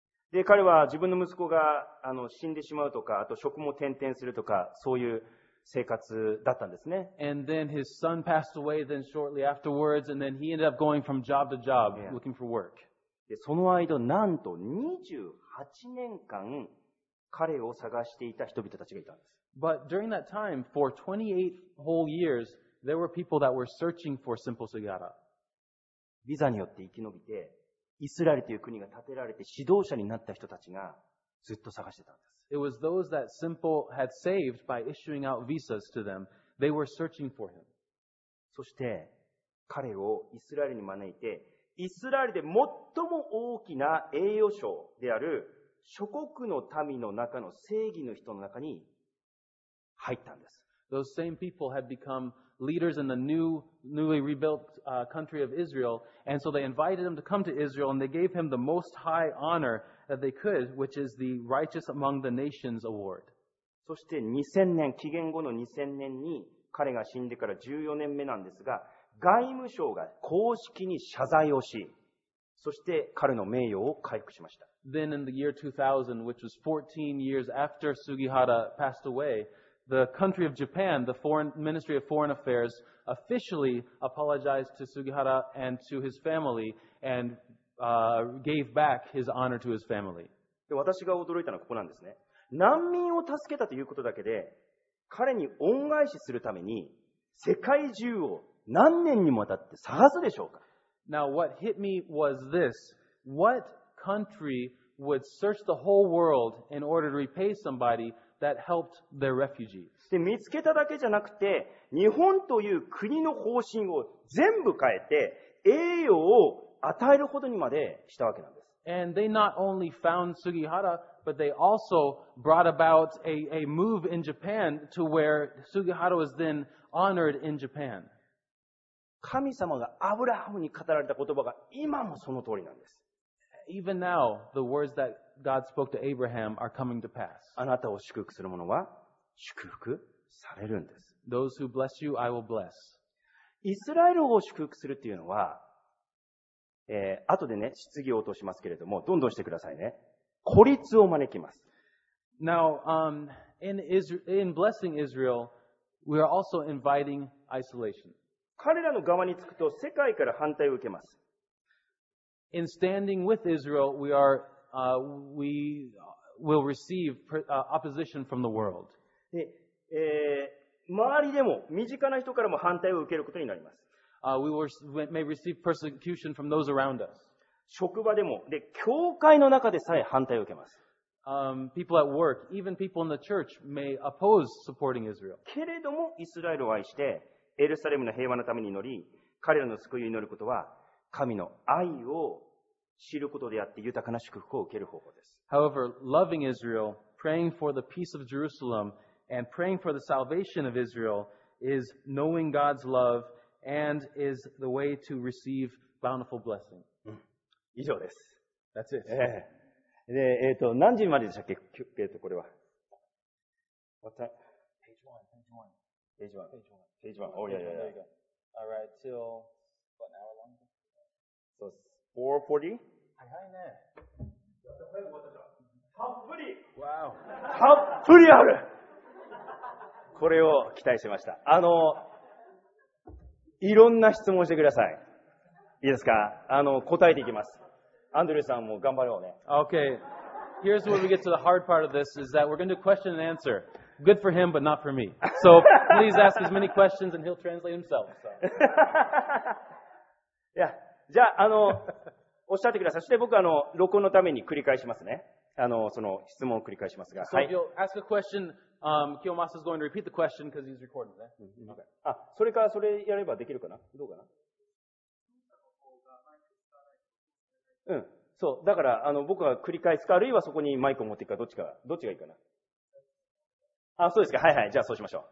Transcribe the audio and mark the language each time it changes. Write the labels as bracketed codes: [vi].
[ja] で、彼は自分の息子が死んでしまうとか、あと職も転々するとか、そういう生活だったんですね。 [en] And then his son passed away then shortly afterwards, and then he ended up going from job to job looking for work. [ja] で、その間、なんと28年間、彼を探していた人々たちがいたんです。 [en] But during that time, for 28 whole years, there were people that were searching for Simple Sugihara. [ja] ビザによって生き延びて、イスラエルという国が建てられて指導者になった人たちがずっと探してたんです。 [en] It was those that Simple had saved by issuing out visas to them. They were searching for him. [ja] そして彼をイスラエルに招いて、イスラエルで最も大きな栄誉賞である諸国の民の中の正義の人の中に入ったんです。 [en] Those same people had become leaders in the newly rebuilt country of Israel, and so they invited him to come to Israel, and they gave him the most high honor that they could, which is the Righteous Among the Nations Award. [ja] そして2000年、紀元後の2000年に彼が死んでから14年目なんですが、外務省が公式に謝罪をし、そして彼の名誉を回復しました。 [en] Then in the year 2000, which was 14 years after Sugihara passed away, the country of Japan, the Foreign Ministry of Foreign Affairs, officially apologized to Sugihara and to his family and gave back his honor to his family. [ja] で、私が驚いたのはここなんですね。難民を助けたということだけで、彼に恩返しするために世界中を何年にもわたって探すでしょうか。 [en] Now, what hit me was this. What country would search the whole world in order to repay somebody that helped their refugees? [ja] で、見つけただけじゃなくて、日本という国の方針を全部変えて、栄誉を与えるほどにまでしたわけなんです。 [en] And they not only found Sugihara, but they also brought about a move in Japan to where Sugihara was then honored in Japan. [ja] 神様がアブラハムに語られた言葉が今もその通りなんです。 [en] Even now, the words that God spoke to Abraham are coming to pass. [ja] あなたを祝福する者は祝福されるんです。 [en] Those who bless you, I will bless. [ja] イスラエルを祝福するっていうのは、後でね、質疑応答しますけれども、どんどんしてくださいね。孤立を招きます。 [en] Now, in blessing Israel, we are also inviting isolation. [ja] 彼らの側につくと世界から反対を受けます。 [en] In standing with Israel, we will receive opposition from the world. [ja] で、周りでも身近な人からも反対を受けることになります。 [en] We may receive persecution from those around us. [ja] 職場でも、で、教会の中でさえ反対を受けます。 [en] People at work, even people in the church may oppose supporting Israel. [ja] けれども、イスラエルを愛して、エルサレムの平和のために祈り、彼らの救いを祈ることは、神の愛を知ることであって、豊かな祝福を受ける方法です。 [en] However, loving Israel, praying for the peace of Jerusalem, and praying for the salvation of Israel is knowing God's love and is the way to receive bountiful blessing. [ja] 以上です。 [en] That's it. [ja] で、何時まででしたっけ、これは。 [en] What time? Page one. Oh, yeah. There you go. All right, till what, an hour long? So it's 4:40? I got it there. How pretty! Wow. How pretty are you? [ja] これを期待しました。いろんな質問してください。いいですか?答えていきます。アンドリューさんも頑張ろうね。 [en] Okay. Here's where we get to the hard part of this, is that we're going to question and answer. Good for him, but not for me. So, please ask as many questions and he'll translate himself. So. [ja] いや、じゃあ、おっしゃってください。そして僕、録音のために繰り返しますね。その質問を繰り返しますが。 [en] So if you'll ask a question, Kiyomasa is going to repeat the question because he's recording it. [ja] あ、それからそれやればできるかな?どうかな? うん。そう。だから、僕は繰り返すか、あるいはそこにマイクを持っていくか、どっちがいいかな?あ、そうですか。はいはい。じゃあそうしましょう。